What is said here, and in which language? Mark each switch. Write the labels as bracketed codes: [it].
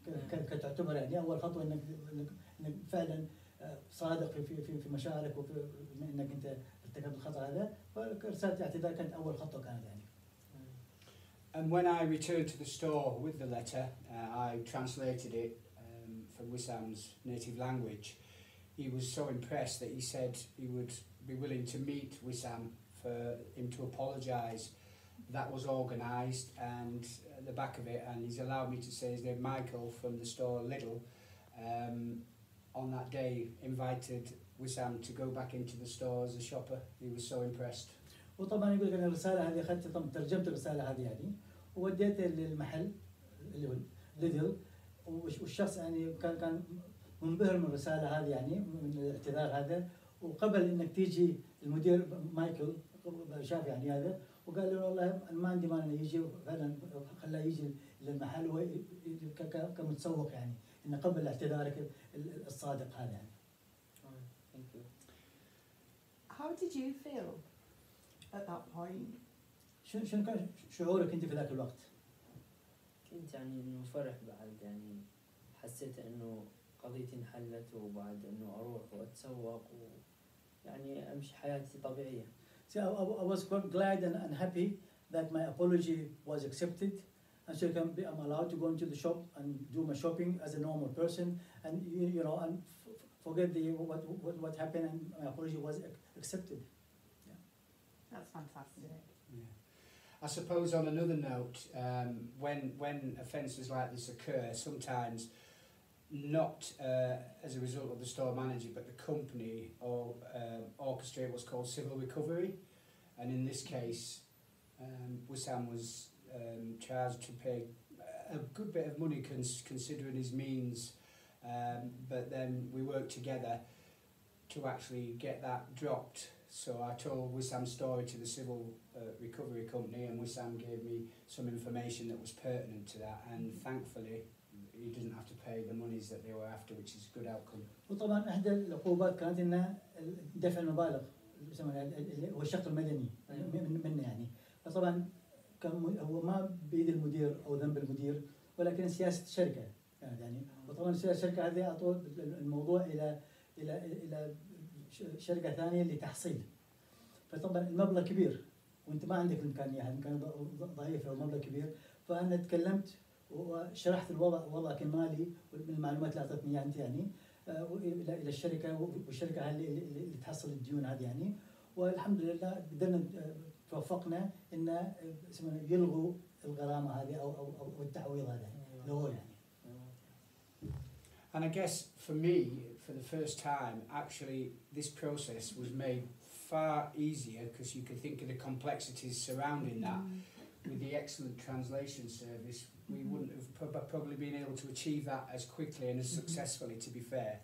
[ar] كتعتبر يعني أول خطوة إنك فعلا صادق في في في مشاعرك وفي إنك أنت ارتكبت الخطأ هذا فرسالة اعتذار كانت أول خطوة كانت يعني. [en] And when I returned to the store with the letter, I translated it from Wissam's native language. He was so impressed that he said he would be willing to meet Wissam for him to apologise. That was organised and at the back of it, and he's allowed me to say his name, Michael from the store Lidl, on that day invited Wissam to go back into the store as a shopper. He was so impressed. [ar] Well, طبعا يقول لك أنا الرسالة هذه خدت طبعا ترجمت الرسالة هذه يعني وديتها للمحل اللي هو Lidl والشخص يعني كان منبهر من الرسالة هذه يعني من الاعتذار هذا وقبل إنك تيجي المدير مايكل شاف يعني هذا وقال له والله ما عندي مانع يجي فعلا خلاه يجي للمحل كمتسوق يعني انه قبل اعتذارك الصادق هذا يعني. [en] How did you feel at that point؟ [ar] شنو كان شعورك انت في ذاك الوقت؟ كنت يعني انه فرح بعد يعني حسيت انه قضيتي انحلت وبعد انه اروح واتسوق ويعني امشي حياتي طبيعية. [en] So I was quite glad and happy that my apology was accepted, and so I'm allowed to go into the shop and do my shopping as a normal person, and you know, and forget the what happened, and my apology was accepted. That's fantastic. Yeah. I suppose on another note, when offences like this occur, sometimes not as a result of the store manager, but the company or orchestrate what's called civil recovery. And in this case, Wissam was charged to pay a good bit of money considering his means. But then we worked together to actually get that dropped. So I told Wissam's story to the civil recovery company, and Wissam gave me some information that was pertinent to that, and thankfully he didn't have to pay the monies that they were after, which is a good outcome. [ar] وطبعا احدى العقوبات كانت ان دفع المبالغ هو الشرط المدني منه يعني. فطبعا كان هو ما بيد المدير او ذنب المدير ولكن سياسه الشركه يعني. وطبعا سياسه الشركه هذه اعطوا الموضوع الى الى الى شركة ثانية لتحصيل. فطبعا المبلغ كبير وانت ما عندك الإمكانية، يعني كان ضعيف او مبلغ كبير. فانا تكلمت وشرحت الوضع وضعك المالي من المعلومات اللي اعطتني اياها انت يعني الى الشركة، والشركة اللي تحصل الديون هذه يعني. والحمد لله قدرنا توفقنا ان اسمه يلغوا الغرامة هذه او التعويض هذا لغوه يعني. [en] And I guess for me, for the first time, actually this process was made far easier because you could think of the complexities surrounding that. With the excellent translation service, we wouldn't have probably been able to achieve that as quickly and as successfully, to be fair.